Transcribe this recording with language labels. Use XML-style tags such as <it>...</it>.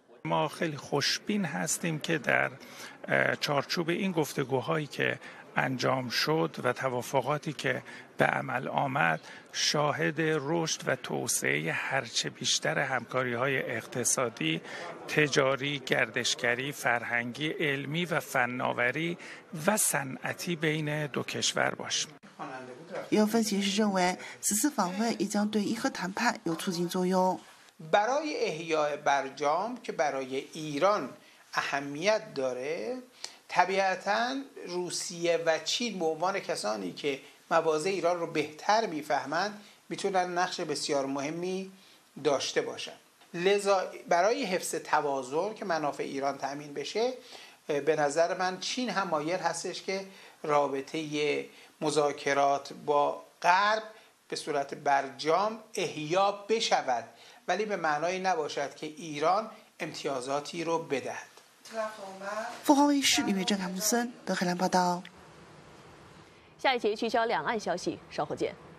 <fa>ما خیلی خوشبین هستیم که در چارچوب این گفتگوهایی که انجام شد و توافقاتی که به عمل آمد شاهد رشد و توسعه هرچه بیشتر همکاری های اقتصادی، تجاری، گردشگری، فرهنگی، علمی و فناوری و صنعتی بین دو کشور باشیم.</fa> <zh>有分析师认为，此次访问也将对伊核谈判有促进作用。</zh> <fa>برای احیای برجام که برای ایران اهمیت داره، طبیعتاً روسیه و چین به عنوان کسانی که مواضع ایران رو بهتر می‌فهمند میتونن نقش بسیار مهمی داشته باشن. لذا برای حفظ توازن که منافع ایران تأمین بشه، به نظر من چین هم مایل هستش که رابطه مذاکرات با غرب به صورت برجام احیا بشود، ولی به معنای نباشد که ایران امتیازاتی رو بدهد.</fa> <zh>凤凰卫视李月珍、卡木森、德黑兰报道。下一节聚焦两岸消息，稍后见。</zh>